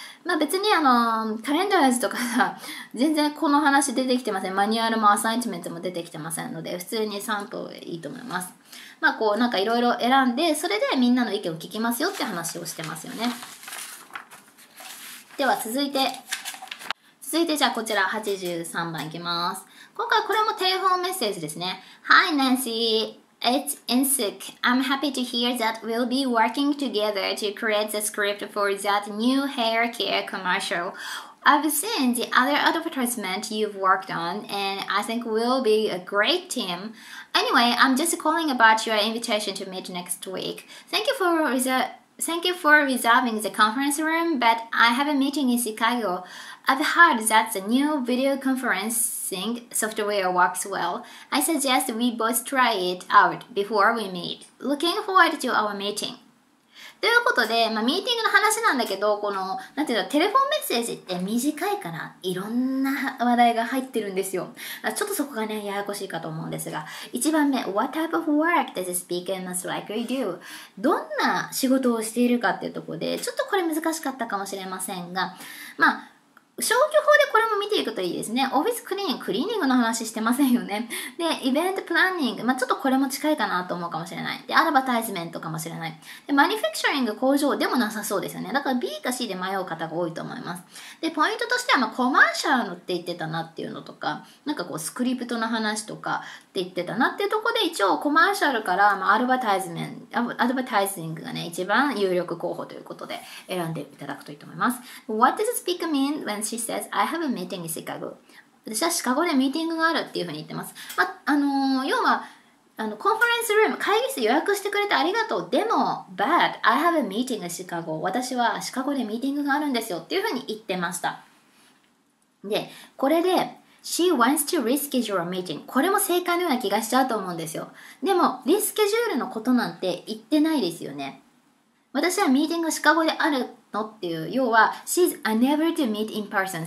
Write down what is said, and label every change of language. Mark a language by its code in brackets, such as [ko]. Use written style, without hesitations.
[ja] まあ、別にカレンダーズとかさ、全然この話出てきてません。マニュアルもアサインチメントも出てきてませんので、普通に散歩いいと思います。まあこう、なんかいろいろ選んで、それでみんなの意見を聞きますよって話をしてますよね。では続いてじゃあこちら83番いきます。今回これもテレフォンメッセージですね。 [en] Hi Nancy! It's Insuk. I'm happy to hear that we'll be working together to create the script for that new hair care commercial. I've seen the other advertisement you've worked on, and I think we'll be a great team. Anyway, I'm just calling about your invitation to meet next week. Thank you for reserving the conference room, but I have a meeting in Chicago. I've heard that the new video conference. Think software works well. I suggest we both try it out before we meet. Looking forward to our meeting. [ja] ということで、まあ、ミーティングの話なんだけど、この、なんていうの、テレフォンメッセージって短いから、いろんな話題が入ってるんですよ。ちょっとそこがね、ややこしいかと思うんですが。 [en] 1番目、What type of work does the speaker most likely do? [ja] どんな仕事をしているかっていうところで、ちょっとこれ難しかったかもしれませんが、まあ、消去法でこれも見ていくといいですね。オフィスクリーニング、クリーニングの話してませんよね。で、イベントプランニング。まあ、ちょっとこれも近いかなと思うかもしれない。で、アドバタイズメントかもしれない。で、マニフェクチャリング工場でもなさそうですよね。だから B か C で迷う方が多いと思います。で、ポイントとしては、まあ、コマーシャルのって言ってたなっていうのとか、なんかこうスクリプトの話とかって言ってたなっていうところで、一応コマーシャルから、まあ、アドバタイズングがね、一番有力候補ということで選んでいただくといいと思います。 [en] What does the speaker mean when she says, I have a meeting in Chicago? [ja] 私はシカゴでミーティングがあるっていうふうに言ってます。まあ、要は、コンファレンスルーム、会議室予約してくれてありがとう。 [en] でも、but I have a meeting in Chicago. [ja] 私はシカゴでミーティングがあるんですよっていうふうに言ってました。 [en] で、これで、She wants to reschedule a meeting. [ja] これも正解のような気がしちゃうと思うんですよ。でも、リスケジュールのことなんて言ってないですよね。私はミーティングがシカゴであるのっていう、要は、 [en] She's unable to meet in person.